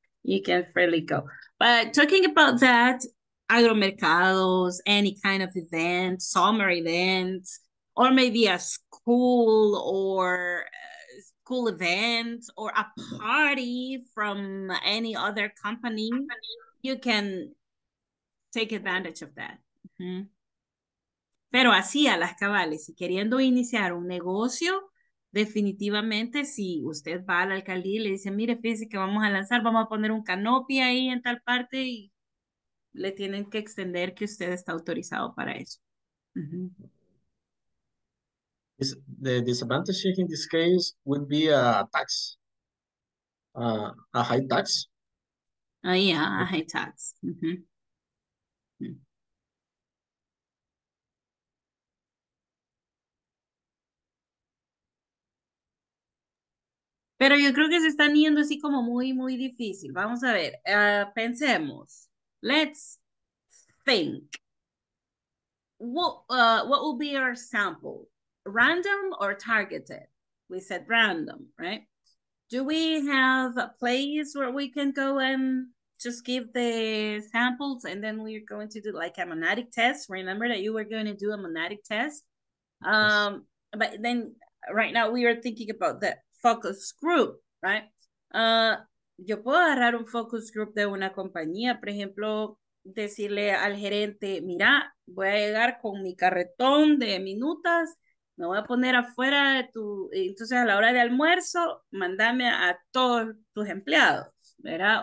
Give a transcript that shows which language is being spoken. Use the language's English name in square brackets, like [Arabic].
[English] You can freely go. But talking about that, agromercados, any kind of event, summer events, or maybe a school or school event or a party from any other company, you can take advantage of that. Mm-hmm. [Spanish] Pero así a las cabales, si queriendo iniciar un negocio, definitivamente si usted va a la alcaldía y le dice, mire, fíjese que vamos a lanzar, vamos a poner un canopy ahí en tal parte, y le tienen que extender que usted está autorizado para eso. Mm-hmm. [English] The disadvantage in this case would be a tax, a high tax. A high tax. Mm-hmm. [Spanish] Pero yo creo que se están yendo así como muy, muy difícil. Vamos a ver, pensemos. [English] Let's think. What will be our sample? Random or targeted? We said random, right? Do we have a place where we can go and just give the samples and then we're going to do like a monadic test? Remember that you were going to do a monadic test? Yes. But then right now we are thinking about the focus group, right? [Spanish] Yo puedo agarrar un focus group de una compañía, por ejemplo, decirle al gerente, mira, voy a llegar con mi carretón de minutas. Me voy a poner afuera de tu... Entonces, a la hora de almuerzo, mandame a todos tus empleados, ¿verdad?